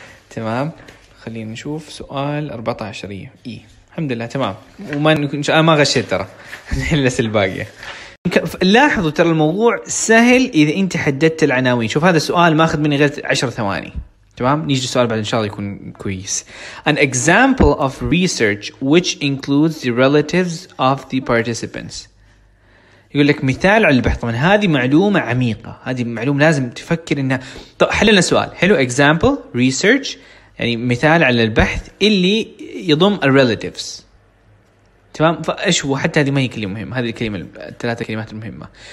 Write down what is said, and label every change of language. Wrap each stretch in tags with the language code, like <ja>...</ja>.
<ar>تمام، خلينا نشوف سؤال 14 اي، الحمد لله تمام، وما ان شاء الله ما غشيت ترى لسه الباقيه. لاحظوا ترى الموضوع سهل اذا انت حددت العناوين. شوف هذا السؤال ما اخذ مني غير 10 ثواني. تمام، نيجي السؤال بعد ان شاء الله يكون كويس.</ar> <en>An example of research which includes the relatives of the participants.</en> <ar>يقول لك مثال على البحث. من هذه معلومه عميقه، هذه معلومه لازم تفكر انها. طب حللنا السؤال. حلو،</ar> <en>example research</en> <ar>يعني مثال على البحث اللي يضم ال relatives. تمام، فايش هو؟ حتى هذه ما هي كلمه مهمه، هذه الكلمه الثلاثه كلمات مهمه.</ar>